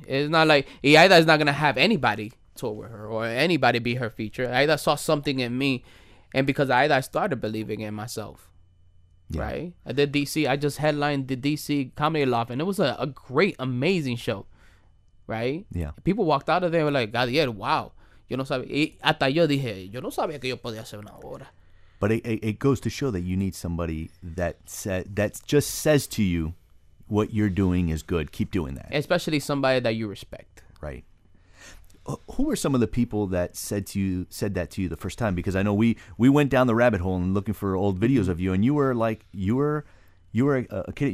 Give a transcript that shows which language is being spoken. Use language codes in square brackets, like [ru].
[en] It's not like Aida is not going to have anybody tour with her or anybody be her feature. Aida saw something in me, and because Aida, I started believing in myself. Yeah. Right? I did DC. I just headlined the DC Comedy Loft, and it was a great, amazing show. Right? Yeah. People walked out of there and were like, Gadiel, wow. [es] Yo no sabía. Hasta yo dije, yo no sabía que yo podía hacer una hora. [en] But it goes to show that you need somebody that just says to you what you're doing is good. Keep doing that. Especially somebody that you respect. Right. Who were some of the people that said that to you the first time? Because I know we went down the rabbit hole and looking for old videos of you, and you were like, you were a kid.